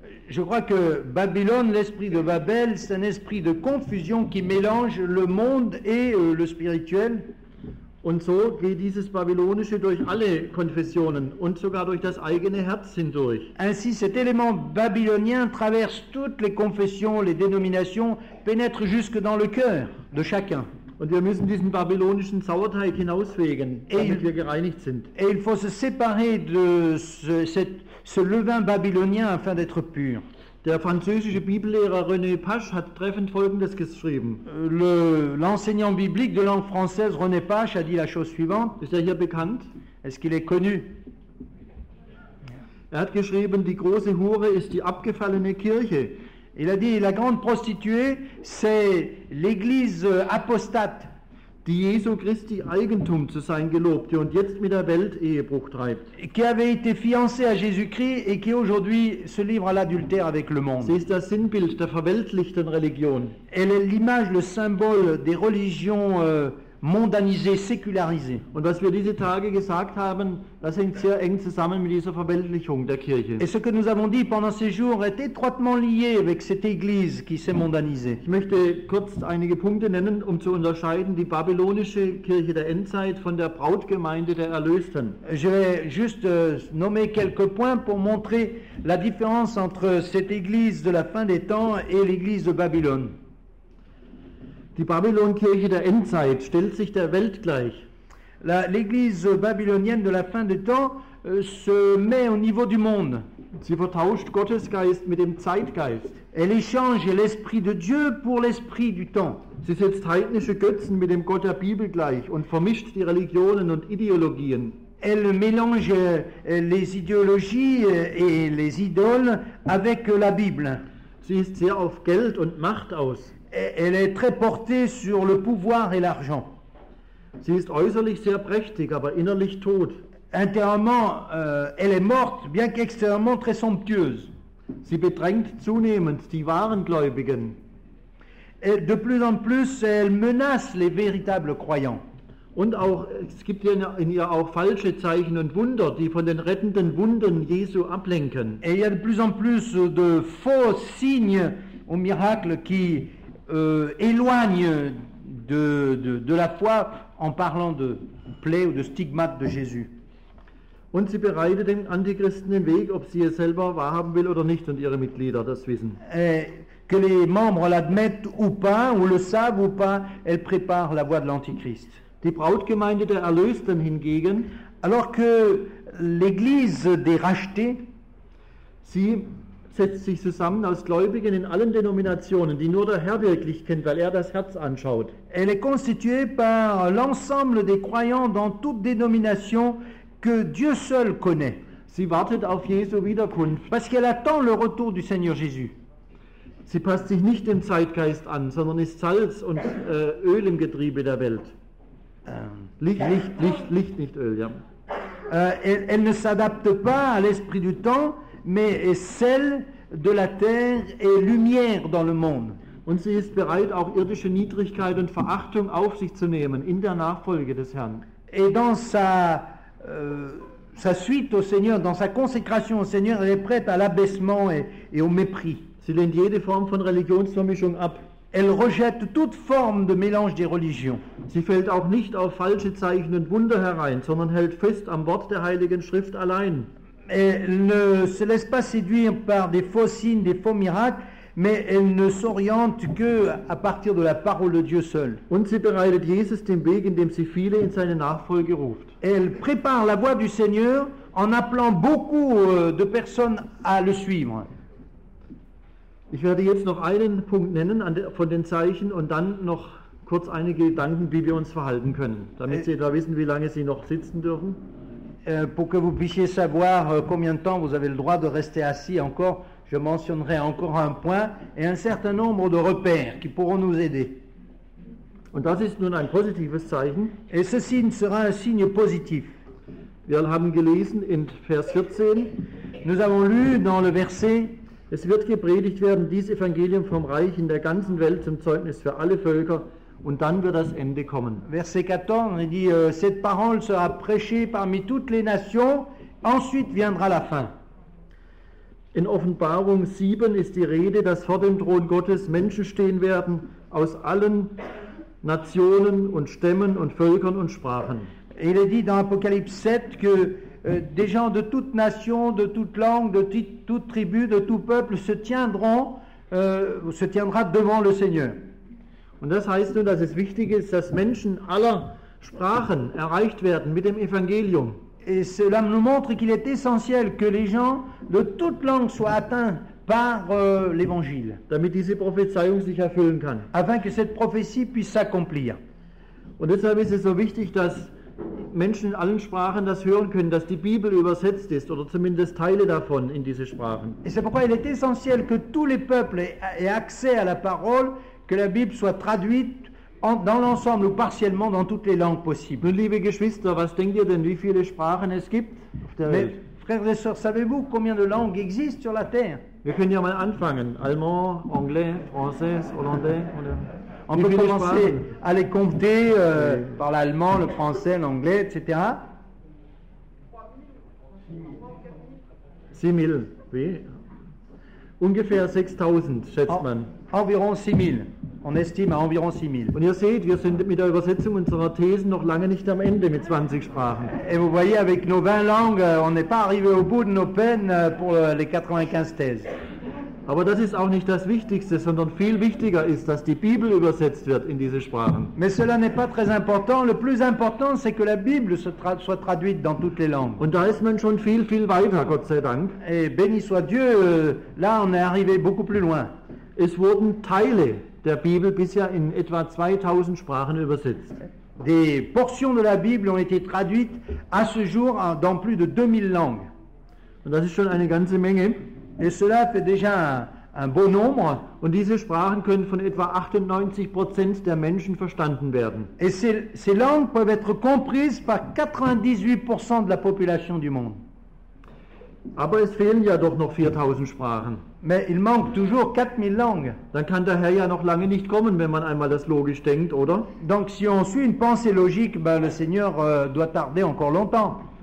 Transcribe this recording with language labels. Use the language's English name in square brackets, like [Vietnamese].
[French] Je crois que Babylone, l'esprit de Babel, c'est un esprit de confusion qui mélange le monde et le spirituel. [German] Und so geht dieses babylonische durch alle Konfessionen und sogar durch das eigene Herz hindurch. [French] Ainsi, cet élément babylonien traverse toutes les confessions, les dénominations, pénètre jusque dans le cœur de chacun. [German] Und wir müssen diesen babylonischen Sauerteig hinausfegen, damit wir gereinigt sind. [French] Et il faut se séparer de ce levain babylonien afin d'être pur. [German] Der französische Bibellehrer René Pasch hat treffend Folgendes geschrieben. [French] L'enseignant biblique de langue française René Pasch a dit la chose suivante. [German] Ist er hier bekannt? [French] Est-ce qu'il est connu? [German] Er hat geschrieben, die große Hure ist die abgefallene Kirche. [French] Il a dit, la grande prostituée, c'est l'église apostate. [German] Die Jesu Christi Eigentum zu sein gelobte und jetzt mit der Welt Ehebruch treibt. [French] Qui avait été fiancée à Jésus-Christ et qui aujourd'hui se livre à l'adultère avec le monde. [German] Sie ist das Sinnbild der verweltlichten Religion. [French] Elle est l'image, le symbole des religions mondanisées, sécularisées. [German] Und was wir diese Tage gesagt haben, das hängt sehr eng zusammen mit dieser Verweltlichung der Kirche. [French] Et ce que nous avons dit pendant ces jours est étroitement lié avec cette Église qui s'est mondanisée. [German] Ich möchte kurz einige Punkte nennen, um zu unterscheiden die babylonische Kirche der Endzeit von der Brautgemeinde der Erlösten. [French] Je vais juste nommer quelques points pour montrer la différence entre cette Église de la fin des temps et l'Église de Babylone. [German] Die Babylonkirche der Endzeit stellt sich der Welt gleich. [French] L'église babylonienne de la fin des temps se met au niveau du monde. [German] Sie vertauscht Gottes Geist mit dem Zeitgeist. [French] Elle échange l'esprit de Dieu pour l'esprit du temps. [German] Sie setzt heidnische Götzen mit dem Gott der Bibel gleich und vermischt die Religionen und Ideologien. [French] Elle mélange les idéologies et les idoles avec la Bible. [German] Sie ist sehr auf Geld und Macht aus. [French] Elle est très portée sur le pouvoir et l'argent. [German] Sie ist äußerlich sehr prächtig, aber innerlich tot. [French] Intérieurement, elle est morte, bien qu'extérieurement très somptueuse. [German] Sie bedrängt zunehmend die wahren Gläubigen. [French] Et de plus en plus, elle menace les véritables croyants. [German] Und auch, es gibt in ihr auch falsche Zeichen und Wunder, die von den rettenden Wunden Jesu ablenken. [French] Et il y a de plus en plus de faux signes und miracles qui éloigne de la foi en parlant de plaies ou de stigmates de Jésus. [German] Und sie bereitet den Antichristen den Weg, ob sie es selber wahrhaben will oder nicht, und ihre Mitglieder das wissen. [French] Que les membres l'admettent ou pas, ou le savent ou pas, elle prépare la voie de l'Antichrist. [German] Die Brautgemeinde der Erlösten hingegen, [French] alors que l'Église des Rachetés, [German] sie setzt sich zusammen aus Gläubigen in allen Denominationen, die nur der Herr wirklich kennt, weil er das Herz anschaut. [French] Elle est constituée par l'ensemble des croyants dans toutes dénominations que Dieu seul connaît. [German] Sie wartet auf Jesu Wiederkunft. [French] Parce qu'elle attend le retour du Seigneur Jésus. [German] Sie passt sich nicht dem Zeitgeist an, sondern ist Salz und Öl im Getriebe der Welt. Licht, Licht, Licht, Licht, nicht Öl, ja. [French] elle ne s'adapte pas à l'esprit du temps, mais est celle de la terre et lumière dans le monde. [German] Und sie ist bereit, auch irdische Niedrigkeit und Verachtung auf sich zu nehmen in der Nachfolge des Herrn. [French] Et dans sa suite au Seigneur, dans sa consécration au Seigneur, elle est prête à l'abaissement et au mépris. [German] Sie lehnt jede Form von Religionsvermischung ab. [French] Elle rejette toute forme de mélange des religions. [German] Sie fällt auch nicht auf falsche Zeichen und Wunder herein, sondern hält fest am Wort der Heiligen Schrift allein. [French] Elle ne se laisse pas séduire par des faux signes, des faux miracles, mais elle ne s'oriente que à partir de la parole de Dieu seul. [German] Und sie bereitet Jesus den Weg, indem sie viele in seine Nachfolge ruft. [French] Elle prépare la voie du Seigneur en appelant beaucoup de personnes à le suivre. [German] Ich werde jetzt noch einen Punkt nennen von den Zeichen und dann noch kurz einige Gedanken, wie wir uns verhalten können, damit Sie etwa wissen, wie lange Sie noch sitzen dürfen. [French] Pour que vous puissiez savoir combien de temps vous avez le droit de rester assis encore, je mentionnerai encore un point et un certain nombre de repères qui pourront nous aider. [German] Und das ist nun ein positives Zeichen. [French] Et ceci sera un signe positif. [German] Wir haben gelesen in Vers 14. [French] Nous avons lu dans le verset. [German] Es wird gepredigt werden, dieses Evangelium vom Reich in der ganzen Welt zum Zeugnis für alle Völker, und dann wird das Ende kommen. [French] Verset 14, il dit, cette parole sera prêchée parmi toutes les nations, ensuite viendra la fin. [German] In Offenbarung 7 ist die Rede, dass vor dem Thron Gottes Menschen stehen werden, aus allen Nationen und Stämmen und Völkern und Sprachen. [French] Il est dit dans Apocalypse 7 que des gens de toute nation, de toute langue, de toute tribu, de tout peuple se tiendra devant le Seigneur. [German] Und das heißt nun, dass es wichtig ist, dass Menschen aller Sprachen erreicht werden mit dem Evangelium. [French] Et cela nous montre qu'il est essentiel que les gens de toute langue soient atteints par l'Évangile. [German] Damit diese Prophezeiung sich erfüllen kann. [French] Afin que cette prophétie puisse s'accomplir. [German] Und deshalb ist es so wichtig, dass Menschen in allen Sprachen das hören können, dass die Bibel übersetzt ist oder zumindest Teile davon in diese Sprachen. [French] Et c'est pourquoi il est essentiel que tous les peuples aient accès à la parole, que la Bible soit traduite dans l'ensemble ou partiellement dans toutes les langues possibles. [German] Nun, liebe Geschwister, was denkt ihr denn, wie viele Sprachen es gibt auf der Welt? [French] Frères et sœurs, savez-vous combien de langues existent sur la terre? [German] Wir können ja mal anfangen. [French] Allemand, anglais, français, hollandais. On peut commencer à les compter par l'allemand, le français, l'anglais, etc. [German] 6000, oui. Ungefähr 6000, schätzt man. [French] Environ 6000. On estime à environ 6000. [German] Und ihr seht, wir sind mit der Übersetzung unserer Thesen noch lange nicht am Ende mit 20 Sprachen. [French] Et vous voyez, avec nos 20 langues, on n'est pas arrivé au bout de nos peines pour les 95 thèses. [German] Aber das ist auch nicht das Wichtigste, sondern viel wichtiger ist, dass die Bibel übersetzt wird in diese Sprachen. [French] Mais cela n'est pas très important. Le plus important, c'est que la Bible soit traduite dans toutes les langues. [German] Und da ist man schon viel, viel weiter, Gott sei Dank. [French] Et béni soit Dieu, là on est arrivé beaucoup plus loin. [German] Es wurden Teile der Bibel bisher in etwa 2000 Sprachen übersetzt. [French] Des portions de la Bible ont été traduites à ce jour dans plus de 2000 langues. [German] Und das ist schon eine ganze Menge. [French] Et cela fait déjà un beau nombre. [German] Und diese Sprachen können von etwa 98% der Menschen verstanden werden. [French] Et ces langues peuvent être comprises par 98% de la population du monde. [German] Aber es fehlen ja doch noch 4000 Sprachen. [French] Mais il manque toujours 4000 langues. [German] Dann kann der Herr ja noch lange nicht kommen, wenn man einmal das logisch denkt, oder? [French] Donc si on suit une pensée logique, ben le Seigneur doit tarder encore longtemps.